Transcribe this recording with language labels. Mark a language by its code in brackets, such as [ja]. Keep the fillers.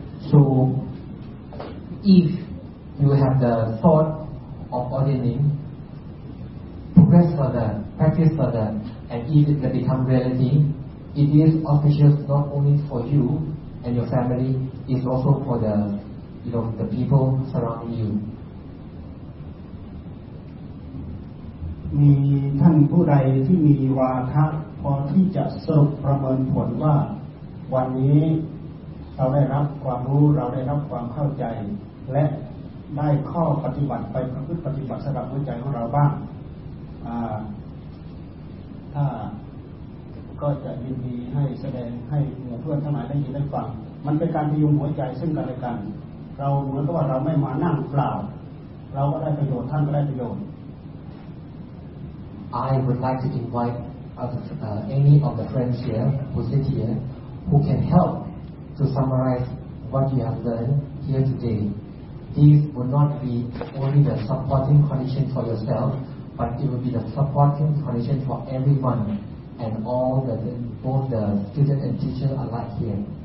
[en] So, if you have the thought of ordaining, progress further, practice further, and if it can become reality, it is auspicious not only for you and your family, it's also for the, you know, the people surrounding you. [th] มีท่านผู้ใดที่มีวาทะพอที่จะสรุปประเมินผลว่า วันนี้เราได้รับความรู้เราได้รับความเข้าใจ และได้ข้อปฏิบัติไปประพฤติปฏิบัติสำหรับหัวใจของเราบ้างอ่าถ้าก็จะยินดีให้แสดงให้หมู่เพื่อนทั้งหลายได้ยินได้ฟังมันเป็นการพยุงหัวใจซึ่งกันและกัน เราเหมือนกับว่าเราไม่มานั่งเปล่า เราก็ได้ประโยชน์ท่านก็ได้ประโยชน์ [en] I would like to invite others, uh, any of the friends here who sit here who can help to summarize what you have learned here today. This will not be only the supporting condition for yourself, but it will be the supporting condition for everyone and all the, the both the student and teacher alike here.